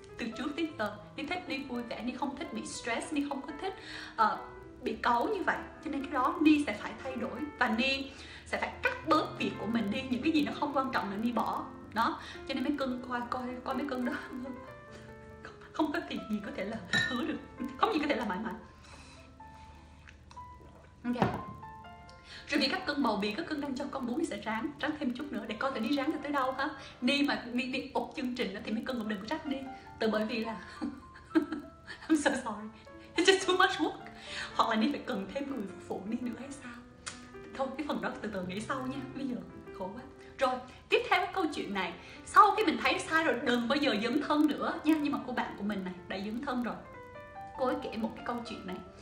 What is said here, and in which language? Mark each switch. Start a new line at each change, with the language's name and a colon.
Vietnamese: Từ trước tới giờ đi thích đi vui vẻ, đi không thích bị stress, đi không có thích bị cáu như vậy, cho nên cái đó đi sẽ phải thay đổi và đi sẽ phải cắt bớt việc của mình đi, những cái gì nó không quan trọng nữa đi bỏ đó, cho nên mấy cưng coi mấy cưng đó không có việc gì có thể là hứa được, không gì có thể là mãi mãi. Okay. Rồi vì các cưng bầu bì, các cưng đang cho con bú thì sẽ ráng thêm chút nữa để coi thể đi ráng được tới đâu ha. Đi mà đi ụt chương trình đó thì mấy cưng cũng đừng có trách đi. Từ bởi vì là
English: I'm so sorry, it's just too much work.
Vietnamese: Hoặc là đi phải cần thêm người phục vụ đi nữa hay sao. Thôi cái phần đó từ từ nghĩ sau nha, bây giờ khổ quá. Rồi tiếp theo cái câu chuyện này, sau khi mình thấy sai rồi đừng bao giờ dấn thân nữa nha. Nhưng mà cô bạn của mình này đã dấn thân rồi. Cô ấy kể một cái câu chuyện này.